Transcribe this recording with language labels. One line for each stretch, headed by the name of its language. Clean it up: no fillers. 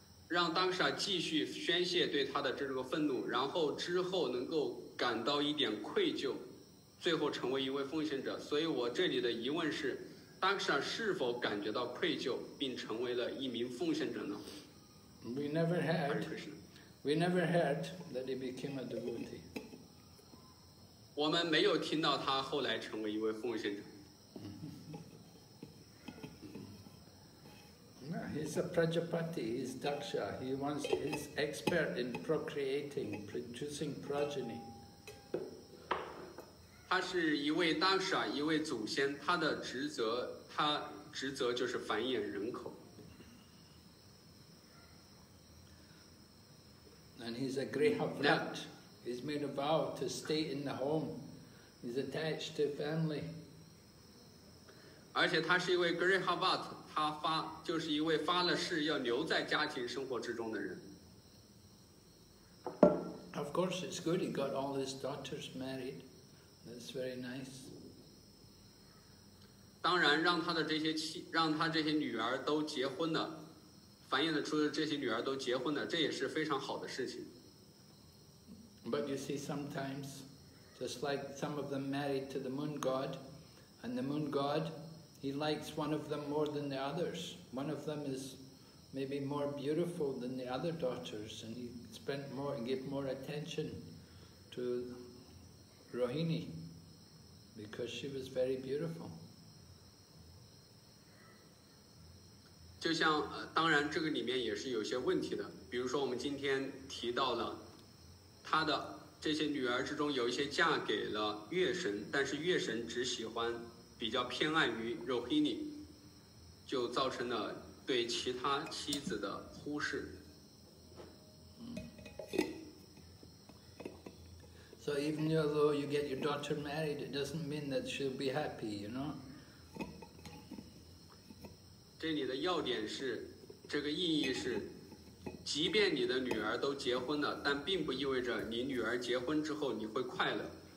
Chinese: 让当时继续宣泄对他的这个愤怒，然后之后能够感到一点愧疚，最后成为一位奉献者。所以我这里的疑问是，当时是否感觉到愧疚并成为了一名奉献者呢？
English: We never heard that he became a devotee.
Chinese: 我们没有听到他后来成为一位奉献者。
English: He's a Prajapati, he's Daksha, he's expert in procreating, producing progeny.
Chinese: 他是一位 Daksha, 一位祖先，他的职责，他职责就是繁衍人口。
English: And he's a Grihavrat, he's made a vow to stay in the home, he's attached to family.
Chinese: 而且他是一位 Grihavrat,他发就是一位发了誓要留在家庭生活之中的人。
English: Of course, it's good he got all his daughters married. That's very nice.
Chinese: 当然，让他的这些妻，让他这些女儿都结婚了，繁衍的出的这些女儿都结婚了，这也是非常好的事情。
English: But you see, sometimes, just like some of them married to the moon god, and the moon god. He likes one of them more than the others. One of them is maybe more beautiful than the other daughters, and he spent more and gave more attention to Rohini because she was very beautiful.
Chinese: 就像当然这个里面也是有些问题的，比如说我们今天提到了他的这些女儿之中有一些嫁给了月神，但是月神只喜欢比较偏爱于 Rohini, 就造成了对其他妻子的忽视。
English: So even though you get your daughter married, it doesn't mean that she'll be happy, you know?
Chinese: 这里的要点是，这个意义是，即便你的女儿都结婚了，但并不意味着你女儿结婚之后你会快乐。